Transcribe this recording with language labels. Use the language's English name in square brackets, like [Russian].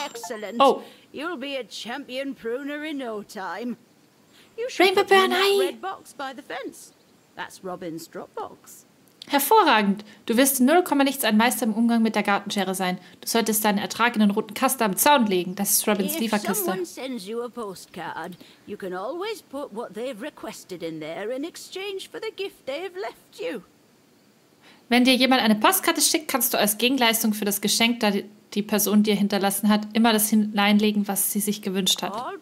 [English] Excellent. Oh. You'll be a champion pruner in no time. You should put Rainbow Burn, red box by the fence. That's Robin's Dropbox. [German] Hervorragend. Du wirst 0, nichts ein Meister im Umgang mit der Gartenschere sein. Du solltest deinen Ertrag in den roten Kasten am Zaun legen. Das ist Robins Lieferkiste. [English] If someone sends you a postcard, you can always put what they've requested in there in exchange for the gift they've left you. [German] Wenn dir jemand eine Postkarte schickt, kannst du als Gegenleistung für das Geschenk, das die Person dir hinterlassen hat, immer das hineinlegen, was sie sich gewünscht hat.